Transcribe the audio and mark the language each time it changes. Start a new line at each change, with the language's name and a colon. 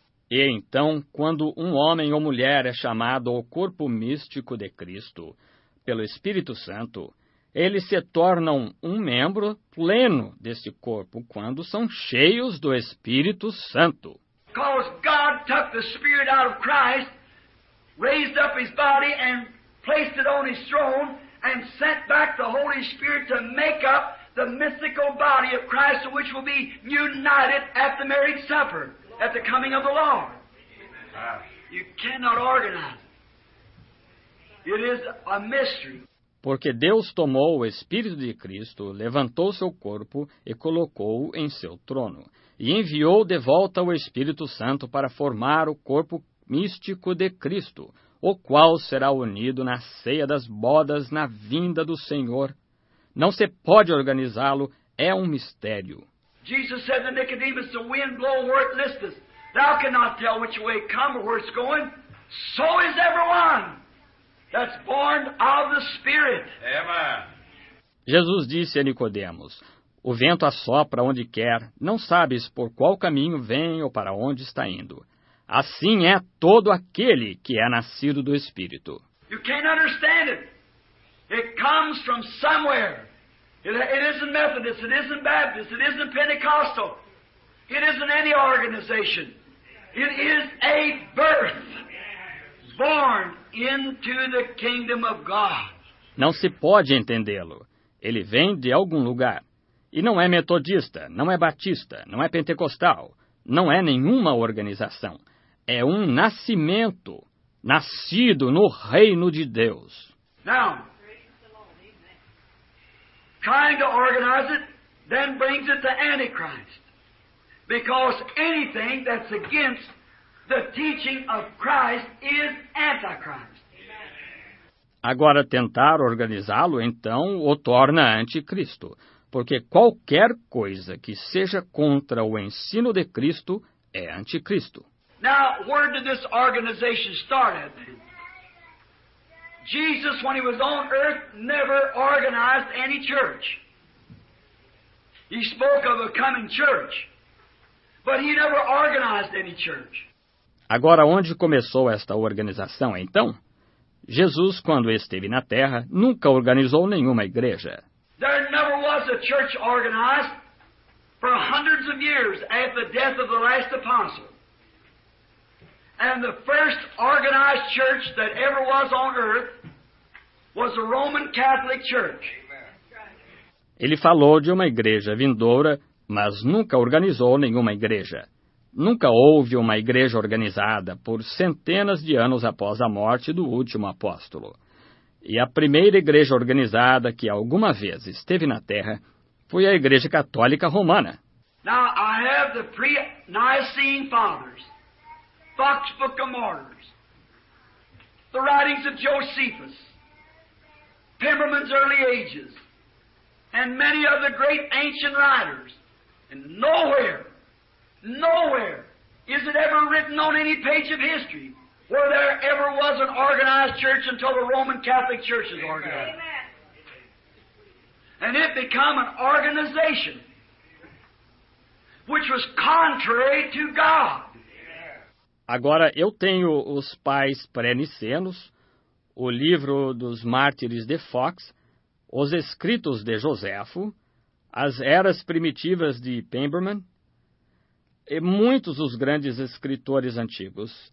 Portuguese: E então, quando um homem ou mulher é chamado ao corpo místico de Cristo pelo Espírito Santo, eles se tornam um membro pleno deste corpo quando são cheios do Espírito Santo.
English: Because God took the Spirit out of Christ, raised up his body and placed it on his throne and sent back the Holy Spirit to make up the mystical body of Christ, which will be united at the marriage supper, at the coming of the Lord. You cannot organize it. It is a mystery.
Portuguese: Porque Deus tomou o Espírito de Cristo, levantou seu corpo e colocou-o em seu trono, e enviou de volta o Espírito Santo para formar o corpo místico de Cristo, o qual será unido na ceia das bodas na vinda do Senhor. Não se pode organizá-lo, é um mistério. Jesus disse a Nicodemus,
English: the wind blow where it listeth. Thou cannot tell which way it comes or where it's going. So is everyone that's born of the Spirit. Amen.
Portuguese: Jesus disse a Nicodemos, o vento assopra onde quer, não sabes por qual caminho vem ou para onde está indo. Assim é todo aquele que é nascido do Espírito.
English: You can't understand it. It comes from somewhere. It isn't Methodist, it isn't Baptist, it isn't Pentecostal. It isn't any organization. It is a birth. Born into the kingdom of God.
Portuguese: Não se pode entendê-lo. Ele vem de algum lugar. E não é metodista, não é batista, não é pentecostal. Não é nenhuma organização. É um nascimento, nascido no reino de Deus.
English: Now, trying to organize it, then brings it to Antichrist. Because anything that's against the teaching of Christ is Antichrist.
Portuguese: Agora, tentar organizá-lo, então, o torna anticristo. Porque qualquer coisa que seja contra o ensino de Cristo é anticristo.
English: Now, where did this organization start at? Jesus, when he was on earth, never organized any church. He spoke of a coming church, but he never organized any church.
Portuguese: Agora, onde começou esta organização, então? Jesus, quando esteve na Terra, nunca organizou nenhuma igreja.
English: There never was a church organized for hundreds of years at the death of the last apostle. And the first organized church that ever was on earth was the Roman Catholic Church.
Portuguese: Ele falou de uma igreja vindoura, mas nunca organizou nenhuma igreja. Nunca houve uma igreja organizada por centenas de anos após a morte do último apóstolo. E a primeira igreja organizada que alguma vez esteve na Terra foi a Igreja Católica Romana.
English: Now I have the pre-Nicene Fathers, Fox Book of Martyrs, the writings of Josephus, Pemberman's Early Ages, and many of the great ancient writers. And nowhere, nowhere is it ever written on any page of history where there ever was an organized church until the Roman Catholic Church is organized. Amen. And it became an organization which was contrary to God.
Portuguese: Agora, eu tenho Os Pais Pré-Nicenos, o livro dos Mártires de Fox, Os Escritos de Josefo, As Eras Primitivas de Pemberman, e muitos os grandes escritores antigos.